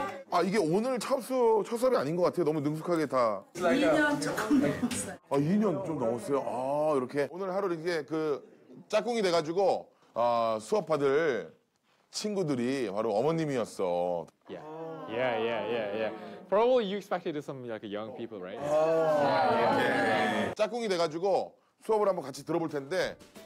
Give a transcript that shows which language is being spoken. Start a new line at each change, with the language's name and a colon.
Korean: 아 이게 오늘 첫 수업이 아닌 것 같아요. 너무 능숙하게 다. 2년 조금 넘었어요. 아 2년 좀 넘었어요. 아 이렇게 오늘 하루 이렇게 그 짝꿍이 돼가지고 아 수업 받을 친구들이 바로 어머님이었어.
English: Yeah. Probably you expected some like young people, right? Yeah.
Korean: 짝꿍이 돼가지고 수업을 한번 같이 들어볼 텐데.